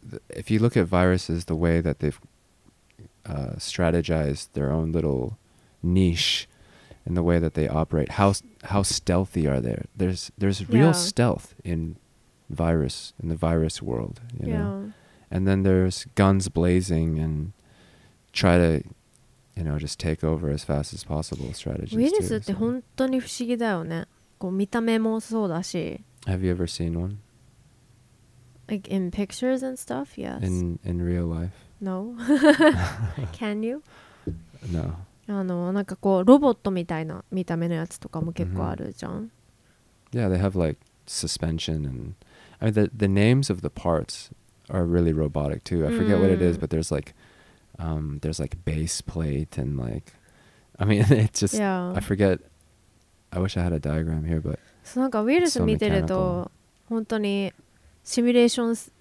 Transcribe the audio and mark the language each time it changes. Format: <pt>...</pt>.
<en>If you look at viruses, the way that they've strategized their own little niche and the way that they operate, how stealthy are they? There's real stealth in the virus world, you know? And then there's guns blazing and try to, you know, just take over as fast as possible strategies too.</en> <ja>ウイルスって本当に不思議だよね。こう見た目もそうだし。</ja> <en>Have you ever seen one? Like in pictures and stuff, yes. In real life? No. Can you? No.</en> <ja>なんかこうロボットみたいな見た目のやつとかも結構あるじゃん。 Mm-hmm.</ja> <en>Yeah, they have like suspension andI mean, the names of the parts are really robotic too. I forget what it is, but there's like base plate and like, I mean, it's just, I forget. I wish I had a diagram here, but</en> <ja>なんかウイルス見てると本当にシミュレーション</ja>